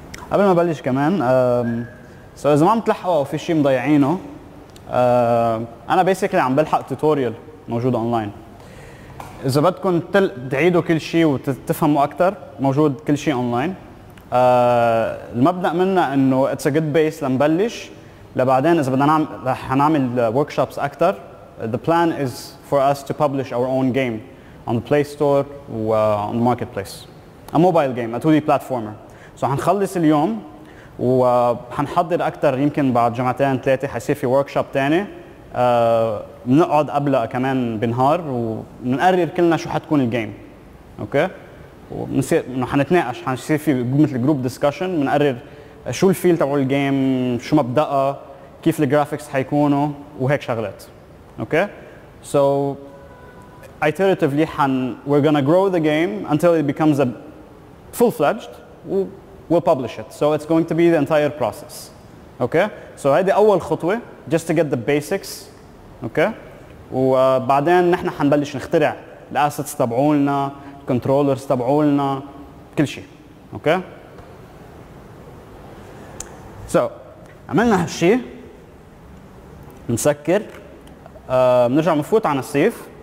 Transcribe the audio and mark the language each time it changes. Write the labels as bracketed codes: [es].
[ar] قبل ما بلش كمان so إذا ما عم تلحقوا أو في شيء مضيعينه أنا basically عم بلحق tutorial موجود online إذا بدكم تعيدوا كل شيء وتفهموا أكثر موجود كل شيء أونلاين المبدأ منه إنه [en] it's a good base [ar] لنبلش لبعدين إذا بدنا نعمل رح نعمل workshops أكثر [en] the plan is for us to publish our own game on the Play Store on the marketplace. A mobile game, a 2D platformer. [ar] So هنخلص اليوم وهنحضر اكتر يمكن بعد جمعتين ثلاثة حيصير في workshop تاني بنقعد قبلها كمان بنهار وبنقرر كلنا شو حتكون الجيم. اوكي؟ وبنصير حنتناقش حيصير في مثل جروب ديسكشن بنقرر شو الفيل تبعو الجيم شو مبدأها كيف الجرافيكس حيكونوا وهيك شغلات. [en] Okay? So iteratively we're gonna grow the game until it becomes a full fledged we'll publish it. So it's going to be the entire process. Okay? So [ar] هيدي أول خطوة [en] just to get the basics. Okay? [ar] وبعدين نحن حنبلش نخترع الأسيتس تبعولنا، الكنترولرز تبعولنا، كل شيء. [en] Okay? [ar] So عملنا هالشيء نسكر بنرجع بنفوت على السيف.